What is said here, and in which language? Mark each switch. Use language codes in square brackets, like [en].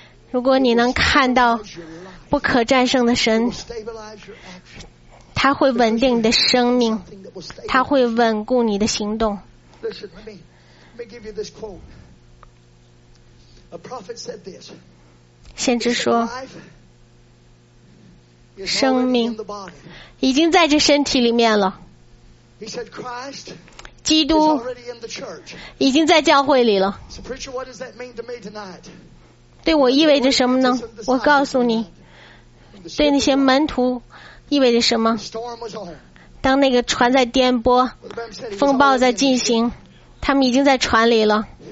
[zh] 如果你能看到不可战胜的神，他会稳定你的生命，他会稳固你的行动。 [en] Listen, let me give you this quote. A prophet said this. [zh] 先知说，生命已经在这身体里面了。 [en] He said, Christ, [zh] 基督已经在教会里了。 [en] So, preacher, what does that mean to me tonight? [zh] 对我意味着什么呢？我告诉你，对那些门徒意味着什么？当那个船在颠簸，风暴在进行，他们已经在船里了。